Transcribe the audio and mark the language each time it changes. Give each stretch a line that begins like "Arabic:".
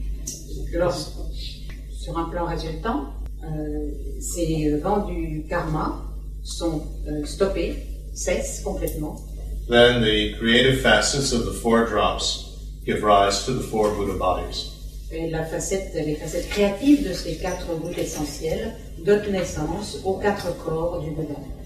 French: sur un plan résultant, ces vents du karma sont stoppés, cessent complètement.
English: Then the creative facets of the four drops give rise to the four Buddha bodies.
French: Et les facettes créatives de ces quatre gouttes essentielles donnent naissance aux quatre corps du Bouddha.